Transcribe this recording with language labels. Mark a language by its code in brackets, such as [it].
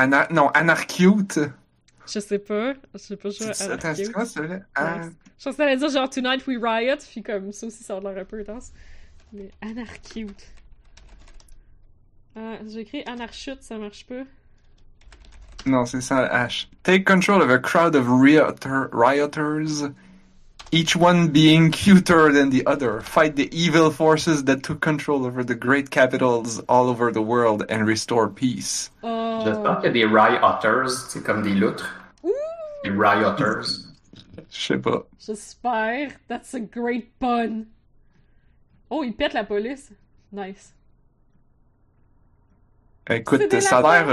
[fr] non, Anarchute? Je sais pas, genre Attends, c'est quoi Anarchute. celui-là? Nice. Je pensais aller dire genre Tonight We Riot, puis comme ça aussi ça a l'air un peu intense. Mais Anarchute. Ah, j'ai écrit Anarchute, ça marche pas. Non, c'est ça, H. [en] Take control of a crowd of rioters, each one being cuter than the other. Fight the evil forces that took control over the great capitals all over the world and restore peace. [fr] J'espère qu'il y a des rioters, c'est comme des loutres. Des rioters. Sais pas. J'espère. [en] That's a great pun. [fr] Oh, il pète la police. Nice. C'est Écoute, des ça a lapins!